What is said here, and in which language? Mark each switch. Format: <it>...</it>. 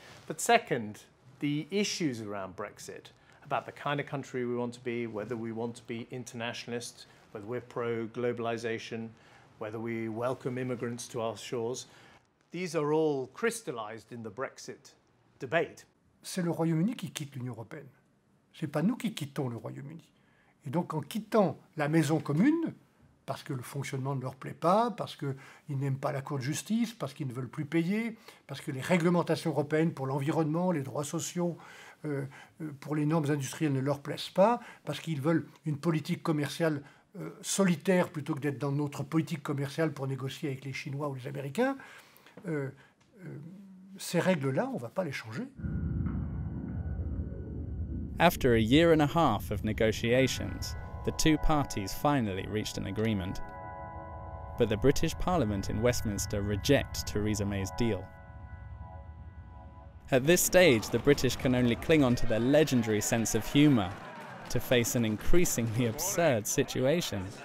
<en>But second, the issues around Brexit, about the kind of country we want to be, whether we want to be internationalist, whether we're pro-globalisation, whether we welcome immigrants to our shores, these are all crystallised in the Brexit debate.</en> <fr>C'est le Royaume-Uni qui quitte l'Union européenne. C'est pas nous qui quittons le Royaume-Uni. Et donc en quittant la maison commune, parce que le fonctionnement ne leur plaît pas, parce qu'ils n'aiment pas la Cour de justice, parce qu'ils ne veulent plus payer, parce que les réglementations européennes pour l'environnement, les droits sociaux, pour les normes industrielles ne leur plaisent pas, parce qu'ils veulent une politique commerciale solitaire plutôt que d'être dans notre politique commerciale pour négocier avec les Chinois ou les Américains, ces règles-là, on ne va pas les changer.</fr> <en>After a year and a half of negotiations, the two parties finally reached an agreement. But the British Parliament in Westminster reject Theresa May's deal. At this stage, the British can only cling on to their legendary sense of humour to face an increasingly absurd situation.</en>